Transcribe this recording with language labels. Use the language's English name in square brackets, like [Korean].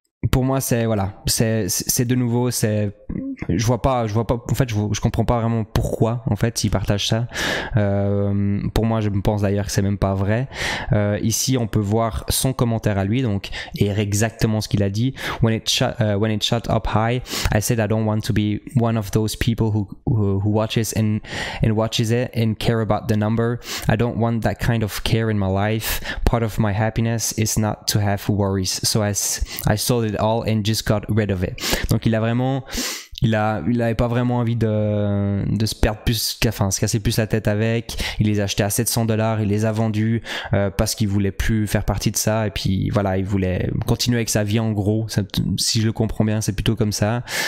[French] Pour moi, c'est de nouveau, je comprends pas vraiment pourquoi en fait ils partagent ça. Pour moi, je pense d'ailleurs que c'est même pas vrai. Ici, on peut voir son commentaire à lui, donc et exactement ce qu'il a dit. [English] When it shot up high, I said I don't want to be one of those people who watches and watches it and care about the number. I don't want that kind of care in my life. Part of my happiness is not to have worries. So I sold it all and just got rid of it. [French] Donc il a vraiment, il avait pas vraiment envie de se perdre plus, enfin se casser plus la tête avec. Il les a achetés à $700, il les a vendus parce qu'il voulait plus faire partie de ça. Et puis voilà, il voulait continuer avec sa vie en gros. Ça, si je le comprends bien, c'est plutôt comme ça.